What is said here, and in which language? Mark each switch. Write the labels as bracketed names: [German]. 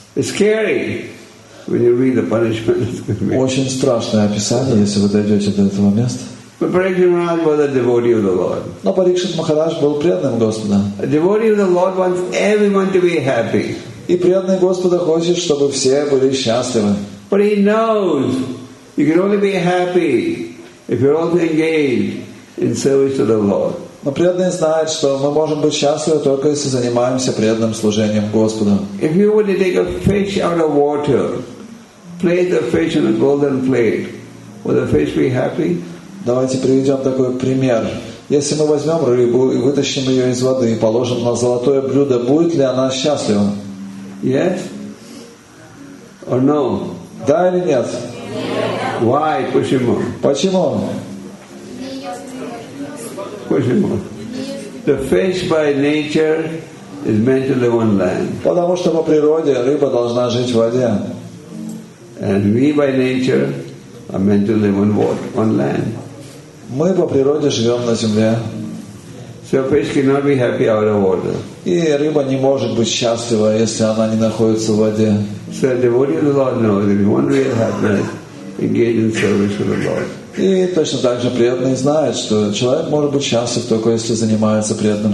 [English] It's scary when you read the punishment. [Russian] Очень страшное описание, если вы дойдете до этого места. [English] But Parikshit Maharaj was a devotee of the Lord. [Russian] Но Парикшит Махарадж был преданным Господа. [English] A devotee of the Lord wants everyone to be happy. [Russian] И преданный Господа хочет, чтобы все были счастливы. [English] But he knows you can only be happy if you're also engaged in service to the Lord. [Russian] Но преданный знает, что мы можем быть счастливы только если занимаемся преданным служением Господу. [English] If you were to take a fish out of water, place the fish on a golden plate, would the fish be happy? [Russian] Давайте приведем такой пример. Если мы возьмем рыбу и вытащим ее из воды и положим на золотое блюдо, будет ли она счастлива? [English] Yes or no? [Russian] Да или нет? [English] Yes. Why? [Russian] Почему? Почему? Почему? [English] The fish by nature is meant to live on land. [Russian] Потому что по природе рыба должна жить в воде. [English] And we by nature are meant to live on what? On land. [Russian] Мы по природе живем на земле. [English] So fish cannot be happy out of water. [Russian] И рыба не может быть счастлива, если она не находится в воде. [English] So the devotee of the Lord knows if you want real happiness, engage in service to the Lord. [Russian] И точно так же преданный знает, что человек может быть счастлив только если занимается преданным